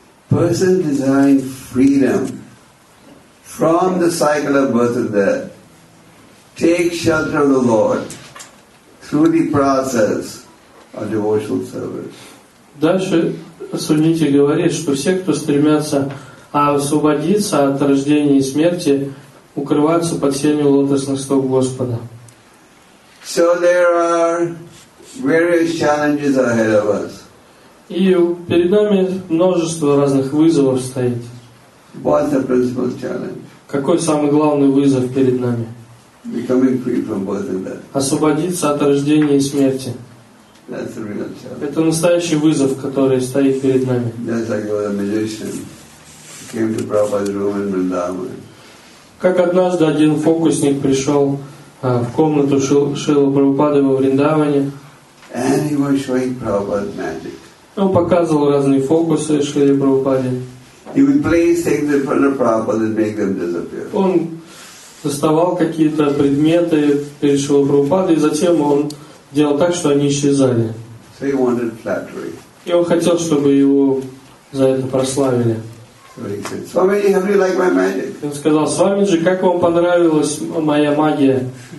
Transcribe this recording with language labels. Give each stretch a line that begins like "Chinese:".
English: Person desiring freedom from the cycle of birth and death takes shelter of the Lord through the process of devotional service.
Russian: Дальше Сунити говорит, что все, кто стремятся освободиться от рождения и смерти, укрываются под сенью лотосных стоп Господа.
English: So there are various challenges ahead of us.
Russian: И перед нами множество разных вызовов стоит.
English: What's the principal challenge?
Russian: Какой самый главный вызов перед нами?
English: Becoming free from birth and death.
Russian: Освободиться от рождения и смерти.
English: That's the real challenge.
Russian: Это настоящий вызов, который стоит перед нами.
English: Just like a magician came to Prabhupada's room in Vrindavan.
Russian: Как однажды один фокусник пришел в комнату Шрилы Прабхупады во Вриндаване.
English: And he was showing Prabhupada's magic.
Russian: Он показывал разные фокусы Шриле Прабхупаде.
English: He would place things in front of Prabhupada and make them disappear.
Russian: Он доставал какие-то предметы перед Шрилой Прабхупадой, и затем он делал так, что они исчезали.
English: So he wanted flattery.
Russian: И он хотел, чтобы его за это прославили.
English: So he said, "Swami, how do you like my magic?"
Russian: Он сказал: "Свамиджи, как вам понравилась моя магия?"